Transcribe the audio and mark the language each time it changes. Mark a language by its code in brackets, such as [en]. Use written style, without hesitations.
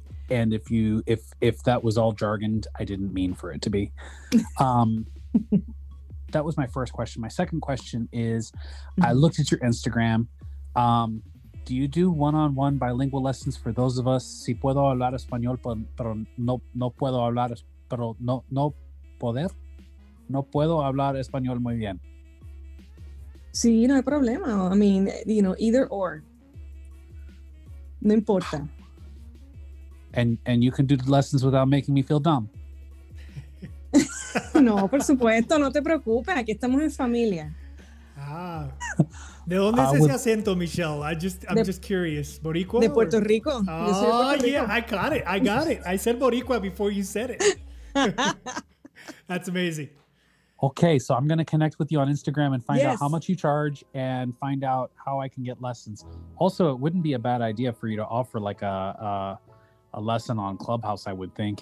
[en] And if that was all jargoned, I didn't mean for it to be. That was my first question. My second question is, I looked at your Instagram. Do you do one-on-one bilingual lessons for those of us? [es] Si puedo hablar español, pero no puedo hablar, pero no poder. No puedo hablar español muy bien. Sí, no hay problema. [en] I mean, you know, either or. [es] No importa. [en] And you can do the lessons without making me feel dumb. [es] No, por supuesto, no te preocupes. Aquí estamos en familia. Ah, ¿de dónde es ese acento, Michelle? [en] I'm just curious. Boricua? [es] De Puerto Rico. Oh, yo soy de [en] Puerto Rico. Yeah, I got it. I said Boricua before you said it. That's amazing. Okay, so I'm going to connect with you on Instagram and find out how much you charge and find out how I can get lessons. Also, it wouldn't be a bad idea for you to offer like a lesson on Clubhouse, I would think.